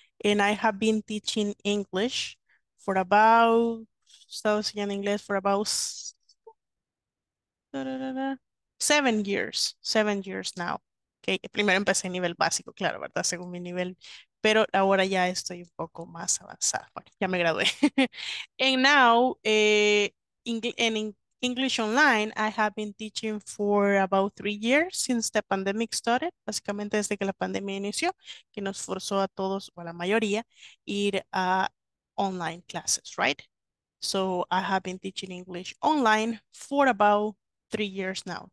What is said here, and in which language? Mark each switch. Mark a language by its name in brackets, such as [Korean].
[English] And I have been teaching English for about, [Spanish] estaba enseñando inglés [English] for about 7 years. 7 years now. Okay. [Spanish] Primero empecé en nivel básico, claro, ¿verdad? Según mi nivel. Pero ahora ya estoy un poco más avanzada. Bueno, ya me gradué. [English] And now, English Online, I have been teaching for about 3 years since the pandemic started. [Spanish] Básicamente desde que la pandemia inició, que nos forzó a todos, o a la mayoría, ir a [English] online classes, right? So, I have been teaching English online for about 3 years now.